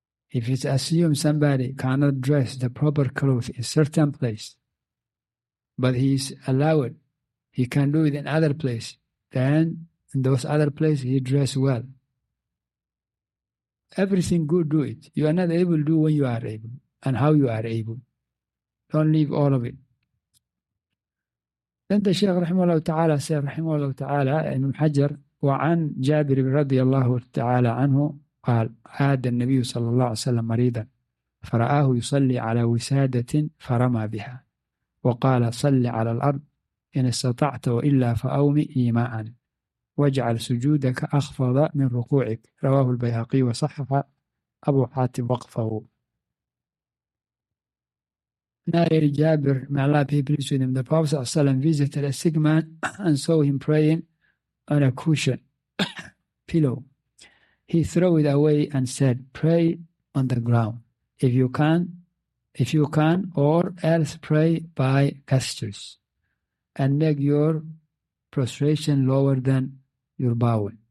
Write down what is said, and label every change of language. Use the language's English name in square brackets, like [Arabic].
[English] If it's assumed somebody cannot dress the proper clothes in certain place, but he's allowed, he can do it in other place, then in those other places he dress well. Everything good, do it. You are not able to do when you are able and how you are able. Don't leave all of it. Then the Shaykh rahimahullah ta'ala said, rahimahullah ta'ala, in Hajar, [Arabic] وعن جابر رضي الله تعالى عنه قال عاد النبي صلى الله عليه وسلم مريضا فرآه يصلي على وسادة فرمى بها وقال صلي على الأرض إن استطعت وإلا فأومئ إيماء واجعل سجودك أخفض من ركوعك رواه البيهقي وصحح أبو حاتم وقفه. [English] Narrated Jabir, may Allah be pleased with him, the Prophet Sallallahu Alaihi Wasallam visited a sick man and saw him praying on a cushion, pillow. He threw it away and said, pray on the ground if you can, or else pray by gestures and make your prostration lower than your bowel.